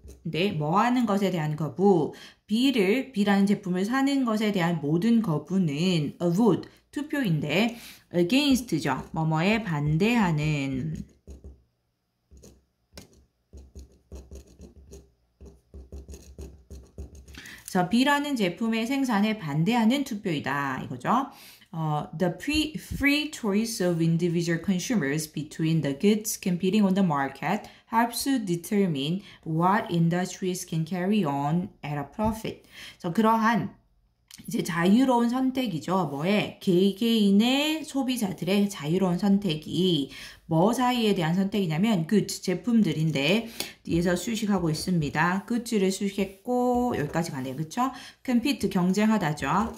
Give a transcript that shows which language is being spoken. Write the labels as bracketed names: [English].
[Korean] 근데 뭐 하는 것에 대한 거부? B라는 제품을 사는 것에 대한 모든 거부는 [English] a vote [Korean] 투표인데 against죠. 뭐뭐에 반대하는 B라는 제품의 생산에 반대하는 투표이다 이거죠. [English] The free choice of individual consumers between the goods competing on the market helps to determine what industries can carry on at a profit. [Korean] 그러한 이제 자유로운 선택이죠. 뭐에 개개인의 소비자들의 자유로운 선택이 뭐 사이에 대한 선택이냐면 goods 제품들인데 뒤에서 수식하고 있습니다. goods를 수식했고 여기까지 가네요. 그렇죠? compete 경쟁하다죠.